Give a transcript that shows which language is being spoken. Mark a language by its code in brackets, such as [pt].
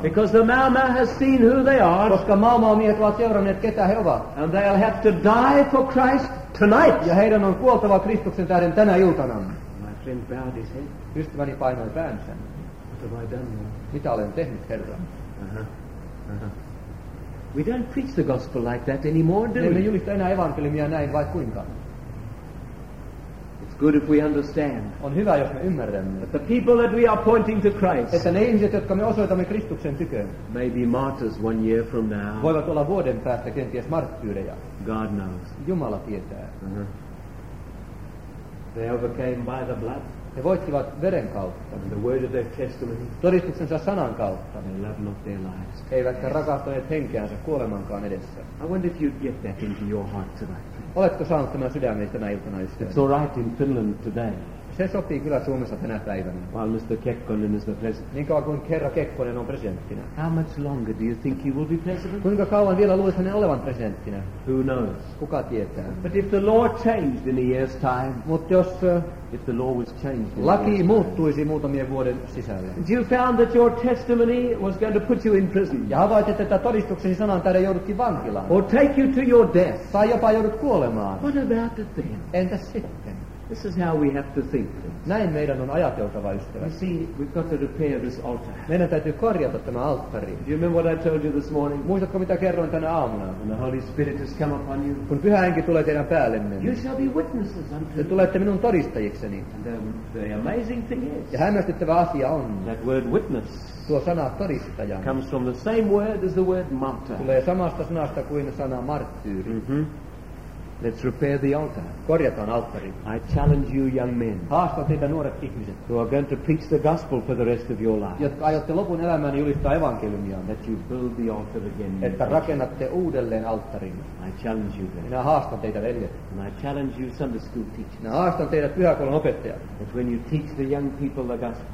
[en] Because the Mau Mau has seen who they are. [fi] Koska Mau Mau miehet ovat seuranneet, ketä he ovat. [en] And they'll have to die for Christ tonight. [fi] Ja heidän on kuoltava Kristuksen tähden tänä iltana. [en] My friend bowed his head. [fi] Ystäväni painoi päänsä. [en] What have I done, Lord? [fi] Mitä olen tehnyt, Herra? [en] We don't preach the gospel like that anymore, do we? [fi] Emme julista enää evankeliumia näin, vai kuinka? [en] Good if we understand. [fi] On hyvä, jos me ymmärrämme. [en] But the people that we are pointing to Christ. [fi] Että ne ihmiset, jotka me osoitamme Kristuksen tyköön. [en] Maybe martyrs one year from now. [fi] Voivat olla vuoden päästä kenties marttyyrejä. [en] God knows. [fi] Jumala tietää. [en] They overcame by the blood. [fi] He voittivat veren kautta. [en] And the word of their testimony. [fi] Todistuksensa sanan kautta. [en] They loved not their lives. [fi] Eivätkä rakastaneet henkeänsä kuolemankaan edessä. [en] I wonder if you'd get that into your heart tonight. [fi] Oletko saanut tämän sydämeen tänä iltana, ystävä? [en] It's all right in Finland today. [fi] Se sopii kyllä Suomessa tänä päivänä. [en] While Mr. Kekkonen is the president. [fi] Niin kauan kuin Herra Kekkonen on presidenttinä. [en] How much longer do you think he will be president? [fi] Kuinka kauan vielä luulet hänen olevan presidenttinä? [en] Who knows? [fi] Kuka tietää? [en] But if the law changed in a year's time. [fi] Mutta jos [en] if the law was changed. [fi] Laki muuttuisi muutamien vuoden sisällä. [en] And you found that your testimony was going to put you in prison. [fi] Ja havaitit, että todistuksesi sanan tähden joudutkin vankilaan. [en] Or take you to your death. [fi] Tai jopa joudut kuolemaan. [en] What about it then? [fi] Entä sitten? [en] This is how we have to think. [fi] Näin meidän on ajateltava, ystävä. [en] You see, we've got to repair this altar. [fi] Meidän täytyy korjata tämä alttari. [en] Do you remember what I told you this morning? [fi] Muistatko, mitä kerroin tänä aamuna? [en] When the Holy Spirit has come upon you. [fi] Kun Pyhä Henki tulee teidän päällemme. [en] You shall be witnesses unto. [fi] Te tulette minun todistajikseni. [en] And the amazing thing is. [fi] Ja hämmästyttävä asia on. [en] That word witness. [fi] Tuo sana todistaja. [en] Comes from the same word as the word martyr. [fi] Tulee samasta sanasta kuin sana marttyyri. [en] Let's repair the altar. [fi] Korjataan alttari. [en] I challenge you, young men. [fi] Haastan teitä, nuoret ihmiset. [en] Who are going to preach the gospel for the rest of your life. [fi] Jotka aiotte lopun elämään julistaa evankeliumia. [en] That you build the altar again. [fi] Että rakennatte uudelleen alttarin. [en] I challenge you, [fi] veljet. Minä haastan teitä, veljet. [en] And I challenge you, Sunday school teachers. [fi] Minä haastan teidät, pyhäkoulun opettajat. [en] That when you teach the young people the gospel.